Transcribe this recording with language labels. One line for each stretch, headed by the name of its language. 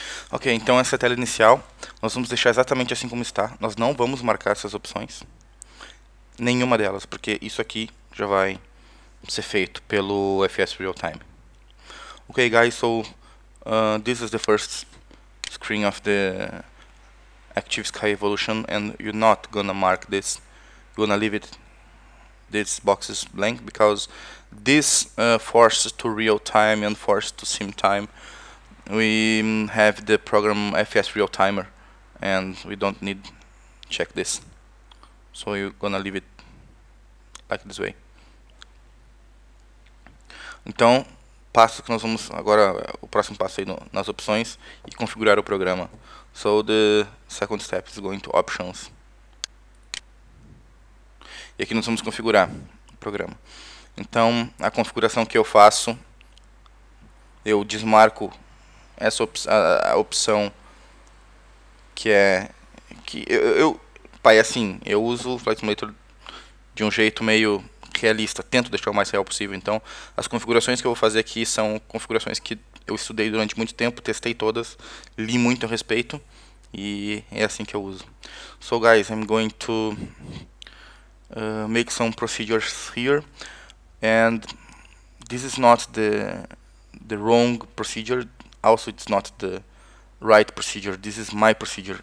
Portuguese: Ok, então essa é a tela inicial. Nós vamos deixar exatamente assim como está. Nós não vamos marcar essas opções. Nenhuma delas, porque isso aqui já vai ser feito pelo FS Real Time.
English: Ok, guys, so this is the first screen of the Active Sky Evolution, and you're not gonna mark this. You're gonna leave it. These boxes blank because this forces to real time and forces to sim time. We have the program FS Real Timer, and we don't need check this. So you're gonna leave it like this way.
Portuguese: Então, passo que nós vamos agora o próximo passo aí no, nas opções e configurar o programa.
English: So the second step is going to options.
Portuguese: E aqui nós vamos configurar o programa. Então, a configuração que eu faço, eu desmarco essa opção que é que eu pai, assim, eu uso o Flight Simulator de um jeito meio realista, tento deixar o mais real possível. Então, as configurações que eu vou fazer aqui são configurações que eu estudei durante muito tempo, testei todas, li muito a respeito e é assim que eu uso.
English: So guys, I'm going to make some procedures here, and this is not the wrong procedure. Also, it's not the right procedure. This is my procedure.